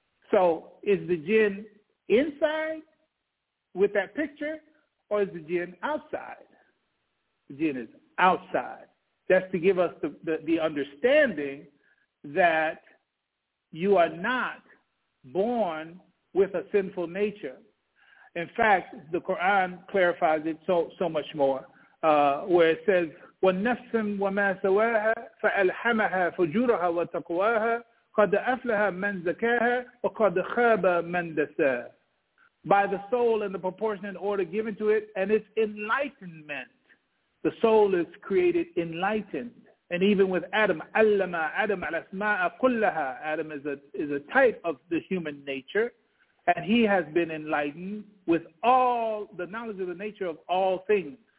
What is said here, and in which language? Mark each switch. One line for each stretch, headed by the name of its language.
English: So is the jinn inside with that picture, or is the jinn outside? The jinn is outside. That's to give us the understanding that you are not born with a sinful nature. In fact, the Quran clarifies it so much more, where it says,
Arabic: وَالنَّفْسٍ وَمَا سَوَاهَا فَأَلْحَمَهَا فُجُورَهَا وَتَقْوَاهَا قَدْ أَفْلَهَا مَنْ زَكَاهَا وَقَدْ خَابَ مَنْ دَسَاهَا.
English: By the soul and the proportionate order given to it and its enlightenment. The soul is created enlightened. And even with Adam,
Arabic: عَلَّمَا
English: Adam
Arabic: الْأَسْمَاءَ كُلَّهَا.
English: Adam is a type of the human nature. And he has been enlightened with all the knowledge of the nature of all things.